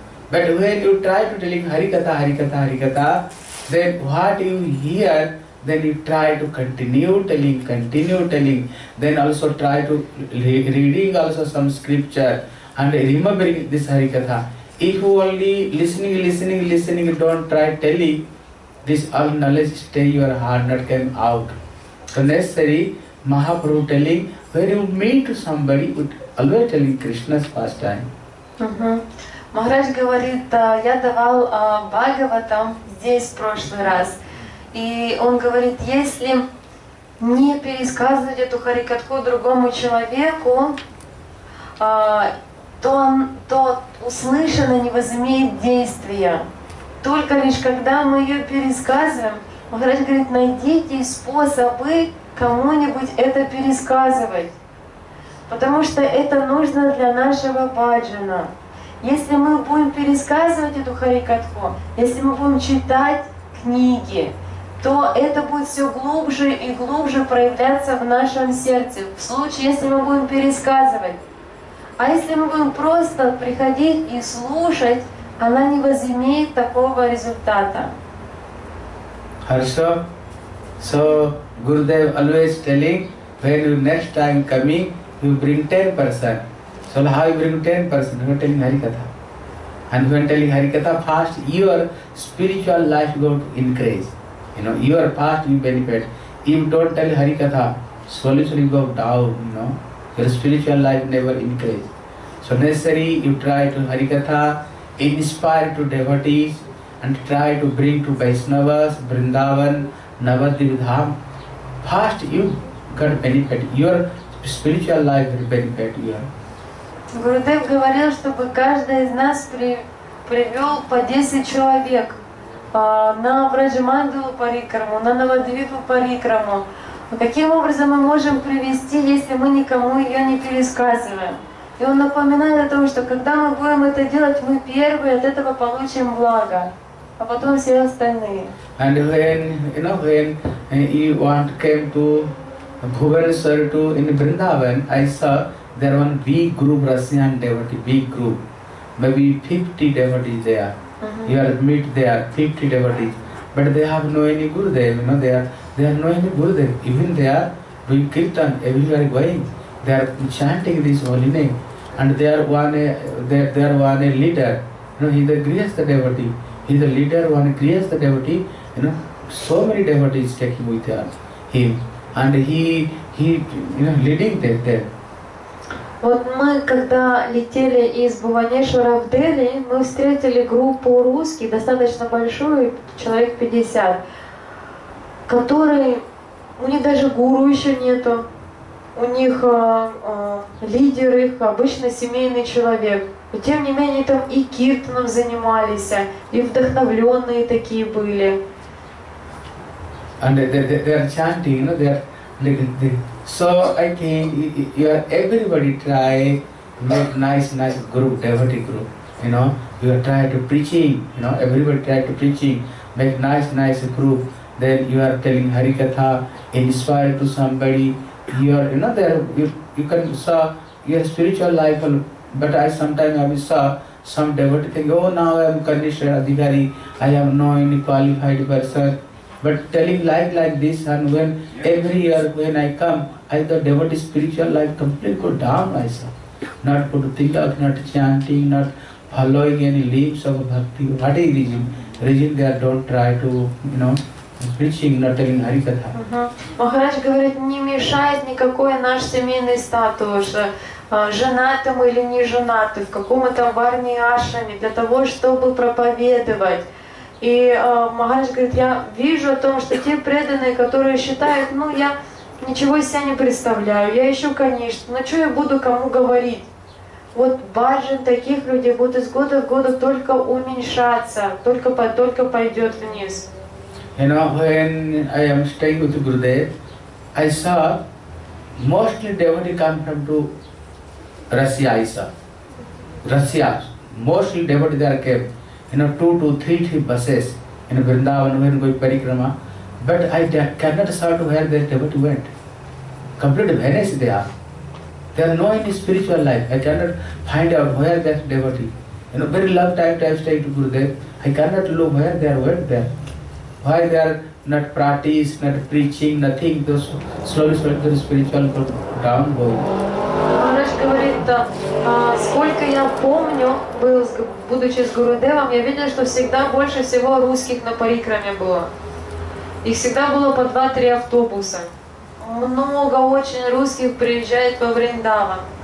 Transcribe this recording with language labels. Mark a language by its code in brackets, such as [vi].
[en] But when you try to telling Hari Katha, then what you hear, then you try to continue telling, then also try to reading also some scripture and remembering this Hari Katha. If only listening, don't try telling, this all knowledge stay your heart, not came out. So necessary, Mahaprabhu telling, when you meet somebody, would always telling Krishna's pastime. [ru] Maharaj говорит, я давал Бхагаватам здесь в прошлый раз. И он говорит, если не пересказывать эту харикатху другому человеку, то услышанное не возымеет действия. Только лишь когда мы ее пересказываем, Махарадж говорит, найдите способы кому-нибудь это пересказывать. Потому что это нужно для нашего баджана. Если мы будем пересказывать эту харикатху, если мы будем читать книги, то это будет все глубже и глубже проявляться в нашем сердце. В случае, если мы будем пересказывать. А если мы будем просто приходить и слушать, она не возымеет такого результата. Хорошо. [en] So, Gurudev always telling, when you next time coming, you bring 10%. So, how you bring 10%? You are telling Harikatha. And when telling Harikatha fast, your spiritual life going to increase. You know, your past will benefit. If you don't tell Harikatha, solution will go down, you know. Your spiritual life never increase. So, necessary, you try to Harikatha, inspire to devotees and try to bring to Vaishnavas, Vrindavan, Navadvip Dham. First you got benefit, your spiritual life will benefit you. [ru] Gurudev говорил, чтобы каждый из нас привел по 10 человек на Враджаманду Парикраму, на Навадвипу Парикраму. Каким образом мы можем привести, если мы никому ее не пересказываем? И он напоминает о том, что когда мы будем это делать, мы первые от этого получим благо, а потом все остальные. [en] And when you want came to Bhuvaneswar to in Vrindavan, I saw there one big group, Russian devotee, big group. Maybe 50 devotees there. Uh-huh. You are meet there, 50 devotees. But they have no any Gurudev, you know, they are no any Gurudev. Even they are doing kirtan, everywhere going. They are chanting this holy name. And they are one a leader. You know, he is a grihastha devotee. He is a leader, one grihastha devotee. You know, so many devotees taking with him. And he you know, leading them there. [ru] Вот мы, когда летели из Бхубанешвара в Дели, мы встретили группу русских, достаточно большую, человек 50, которые, у них даже гуру еще нету, у них лидер их обычно семейный человек. Но тем не менее там и киртаном занимались, и вдохновленные такие были. [en] And they are chanting, you know, So I think everybody try make nice group, devotee group, you know. You are try to preaching, you know, everybody try to preaching, make nice group. Then you are telling Harikatha, inspire to somebody. Your spiritual life, but I sometimes saw some devotee think, oh, now I am Karnishwar Adhikari, I am no any qualified person. But telling like this, and when every year when I come, I thought devotee spiritual life completely go down myself. Not put to tilak, not chanting, not following any leaps of bhakti. What is reason? Reason they don't try to, you know, preaching, not telling Harikatha. Uh-huh. [ru] Махарадж говорит, не мешает никакой наш семейный статус, женатым или не женатым, в каком-то варни ашами, для того, чтобы проповедовать. И Махарадж говорит, я вижу о том, что те преданные, которые считают, ну я ничего из себя не представляю, я еще конечно, но что я буду кому говорить? Вот баджан таких людей будет из года в год только уменьшаться, только пойдет вниз. [en] You know, when I am staying with Gurudev, I saw mostly devotees come from to Russia, I saw. Russia, mostly devotees there came. You know, two, three buses in Vrindavan when going parikrama. But I cannot start where they ever went. Completely vanished they are. They are no any spiritual life. I cannot find out where that devotee. You know, very long time stay to Gurudev. I cannot look where they are went there. Why they are not practice, not preaching, nothing. Those slowly their spiritual go down going. [ru] Сколько я помню, будучи с Гурудевом, я видела, что всегда больше всего русских на парикраме было. Их всегда было по 2-3 автобуса. Много очень русских приезжает во Вриндаван.